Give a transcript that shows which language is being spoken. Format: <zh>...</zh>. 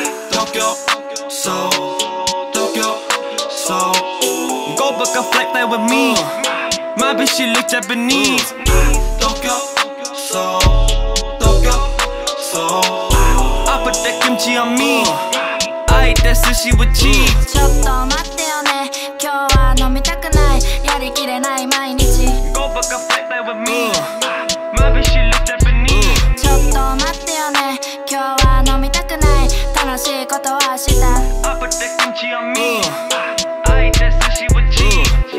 <en>Tokyo Seoul Tokyo Seoul Go book a flight there with me My bitch she look Japanese Tokyo Seoul Tokyo Seoul I put that kimchi on me That sushi with cheese</en> <ja>ちょっと待ってよね 今日は飲みたくない やりきれない毎日</ja> <en>Go book a flight there with me My bitch she look Japanese</en> <ja>ちょっと待ってよね 今日は飲みたくない 楽しいことはした</ja> <en>I put the kimchi on me I eat that sushi with cheese</en>